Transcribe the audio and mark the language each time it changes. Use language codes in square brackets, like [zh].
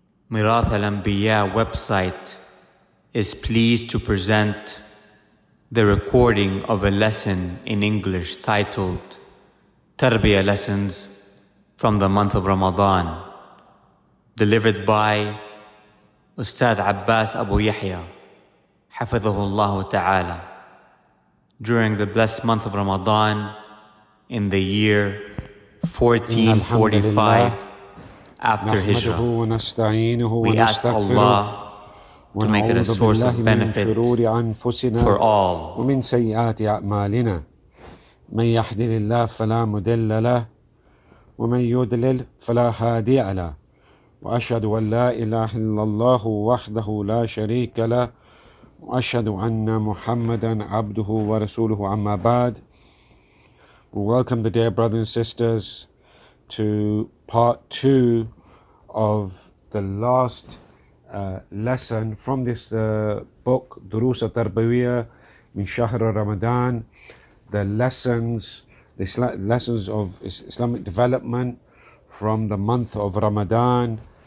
[en] ميراث الأنبياء website is pleased to present the recording of a lesson in English titled تربية lessons from the month of Ramadan delivered by أستاذ عباس أبو يحيى [ar] حفظه الله تعالى [en] during the blessed month of Ramadan in the year 1445 after Hijrah. We ask Allah to make it a source of benefit for all. [ar] ومن سيئات أعمالنا من يهد الله فلا مضل له ومن يضلل فلا هادي له وأشهد أن لا إله إلا الله وحده لا شريك له وأشهد أن محمدا عبده ورسوله أما بعد. [en] We welcome the dear brothers and sisters to part two of the last lesson from this book, Durus al-Tarbawiyya, min Shahr al-Ramadan, the lessons of Islamic development from the month of Ramadan.